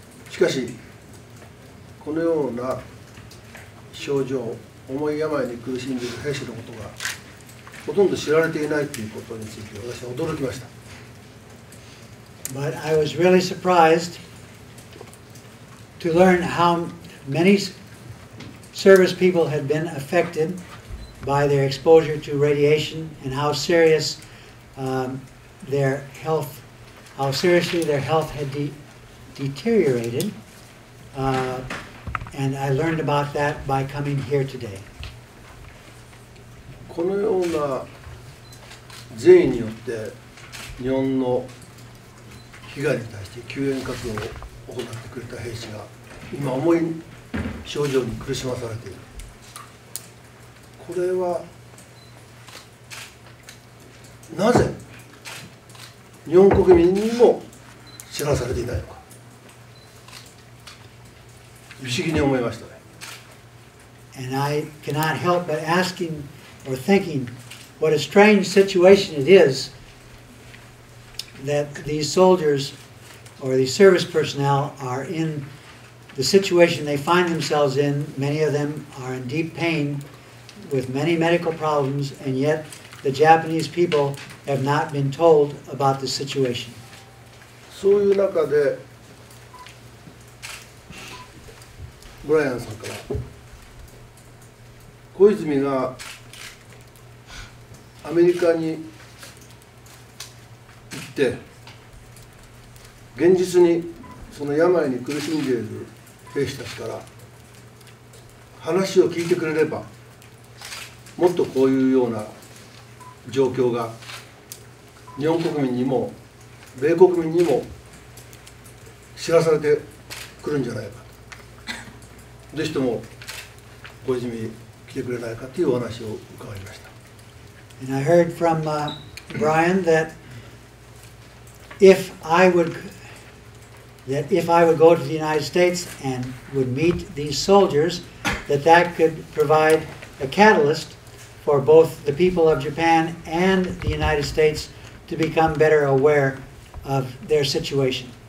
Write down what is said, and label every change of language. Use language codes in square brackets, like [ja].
[ja] しかしこのような症状、重い病に苦しんでいる兵士のことがほとんど知られていないということについて私は驚きました。 [en] But I was really surprised to learn how many service people had been affected by their exposure to radiation and how serious、their health, how seriously their health had deteriorated.、and I learned about that by coming here today. [ja] このような全員によって日本の被害に対して救援活動を行ってくれた兵士が今重い症状に苦しまされている。これはなぜ日本国民にも知らされていないのか、不思議に思いましたね。 [en] And I cannot help but asking or thinking what a strange situation it is that these soldiers or these service personnel are in the situation they find themselves in. Many of them are in deep pain with many medical problems, and yet the Japanese people have not been told about the situation. [ja] そういう中でブライアンさんから小泉がアメリカに行って現実にその病に苦しんでいる兵士たちから話を聞いてくれればもっとこういうような状況が日本国民にも米国民にも知らされてくるんじゃないかと、ぜひとも小泉来てくれないかというお話を伺いました。 [en] And I heard from Brian that if I would go to the United States and would meet these soldiers, that that could provide a catalyst for both the people of Japan and the United States to become better aware of their situation.